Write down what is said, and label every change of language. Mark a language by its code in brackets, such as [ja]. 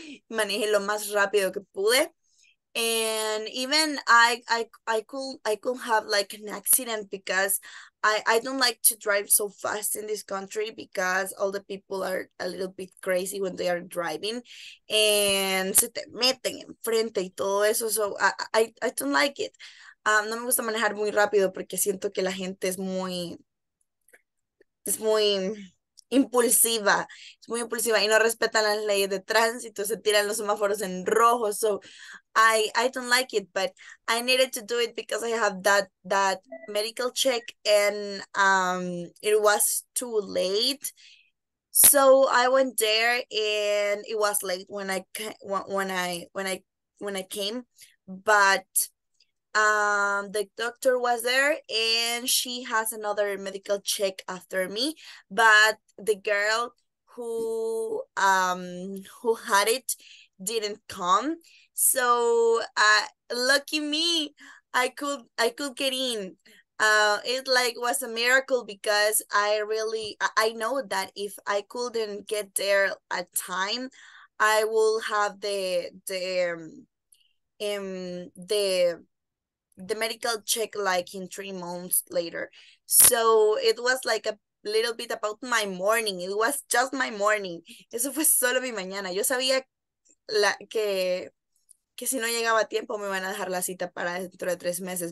[es] Manejé lo más rápido que pude. [en] And even I could have like an accident, because I don't like to drive so fast in this country, because all the people are a little bit crazy when they are driving, and [es] se te meten enfrente y todo eso. [en] So I don't like it. [es] No me gusta manejar muy rápido porque siento que la gente es muy impulsiva, es muy impulsiva, y no respetan las leyes de tránsito, se tiran los semáforos en rojo. [en] So I don't like it, but I needed to do it because I have that medical check, and it was too late. So I went there, and it was late when I came, but the doctor was there, and she has another medical check after me. But the girl who had it didn't come. So lucky me, I could get in. It like was a miracle, because I know that if I couldn't get there at time, I will have the medical check like in 3 months later. So it was like a little bit about my morning. It was just my morning. [es] Eso fue solo mi mañana. Yo sabía que si no llegaba a tiempo me iban a dejar la cita para dentro de 3 meses.